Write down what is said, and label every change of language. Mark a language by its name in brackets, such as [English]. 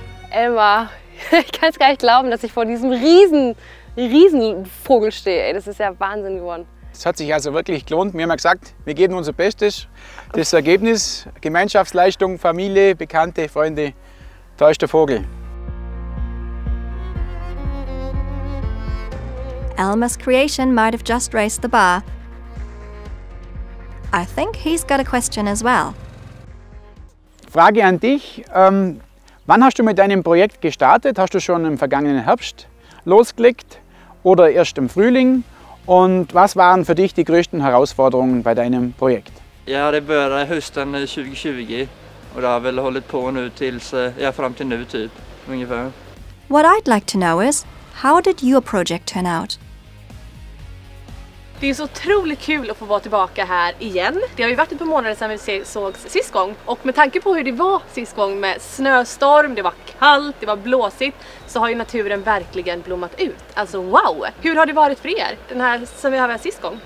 [German] Emma, ich kann es gar nicht glauben, dass ich vor diesem riesen Vogel stehe. Das ist ja Wahnsinn geworden. Es hat sich also wirklich gelohnt. Wir haben ja gesagt, wir geben unser Bestes. Das Ergebnis, Gemeinschaftsleistung, Familie, Bekannte, Freunde, da ist der Vogel. [English] Elmer's creation might have just raised the bar. I think he's got a question as well. [German] Frage an dich. Wann hast du mit deinem Projekt gestartet? Hast du schon im vergangenen Herbst losgelegt oder erst im Frühling? Und was waren für dich die größten Herausforderungen bei deinem Projekt? [Swedish] Ja, det började hösten 2020 och det har väl hållit på nu tills fram till nu typ ungefär. [English] What I'd like to know is how did your project turn out? [Swedish] Det är så otroligt kul att få vara tillbaka här igen. Det har ju varit ett par månader sedan vi sågs sist gång. Och med tanke på hur det var sist gång med snöstorm, det var kallt, det var blåsigt, så har ju naturen verkligen blommat ut. Alltså wow! Hur har det varit för er den här som vi har varit sist gång?